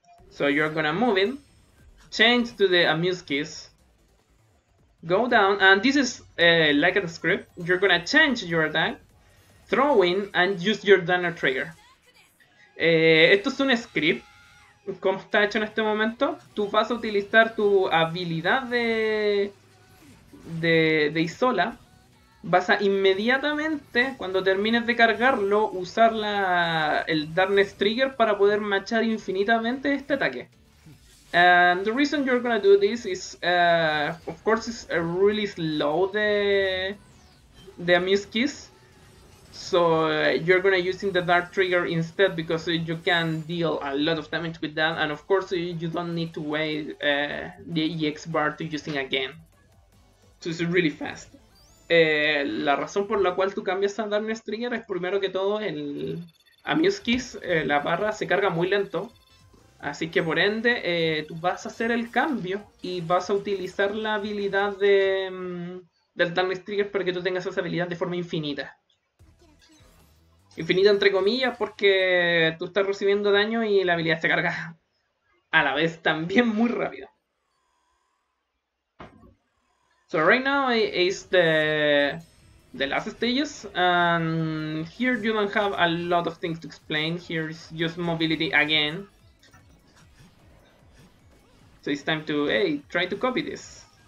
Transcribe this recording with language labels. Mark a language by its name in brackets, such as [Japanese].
[English] So you're gonna move in, change to the Amuse Kiss, go down, and this is like a script. You're gonna change your attack, throw in, and use your Danner trigger. [Spanish] Esto es un script. Como está hecho en este momento, tú vas a utilizar tu habilidad de Isola. Vas a inmediatamente, cuando termines de cargarlo, usar el Darkness Trigger para poder machar infinitamente este ataque. [English] And the reason you're gonna do this is, of course, it's a really slow the Amuse Kiss. So you're gonna using the dark trigger instead because you can deal a lot of damage with that, and of course you don't need to wait the EX bar to using again. So it's really fast. [Spanish] La razón por la cual tú cambias a Darkness Trigger es primero que todo el Amuse Kiss, la barra se carga muy lento, así que por ende tú vas a hacer el cambio y vas a utilizar la habilidad del Darkness Trigger para que tú tengas esa habilidad de forma infinita. Infinita entre comillas porque tú estás recibiendo daño y la habilidad se carga a la vez también muy rápido. [English] So right now is the last stages, and here you don't have a lot of things to explain. Here is just mobility again. So it's time to try to copy this.